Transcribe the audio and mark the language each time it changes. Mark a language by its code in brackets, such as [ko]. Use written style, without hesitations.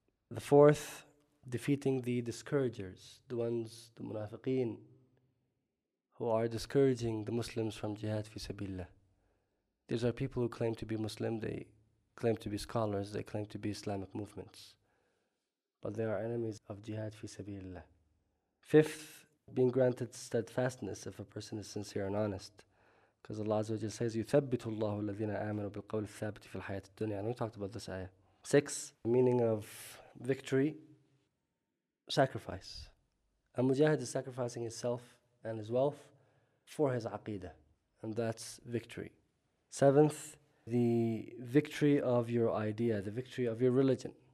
[en] The fourth, defeating the discouragers, the ones, the munafiqeen, who are discouraging the Muslims from jihad fi sabilillah. These are people who claim to be Muslim, they claim to be scholars, they claim to be Islamic movements, but they are enemies of jihad fi sabilillah. Fifth, being granted steadfastness if a person is sincere and honest. Because Allah Azza wa Jalla says, [ar] يُثَبِّتُ اللَّهُ الَّذِينَ آمَنُوا بِالْقَوْلِ الثَّابِتِ فِي الْحَيَاةِ الدُّنْيَا. [en] And we talked about this ayah. Sixth, meaning of victory, sacrifice. A mujahid is sacrificing himself and his wealth for his aqeedah, and that's victory. Seventh, the victory of your idea, the victory of your religion.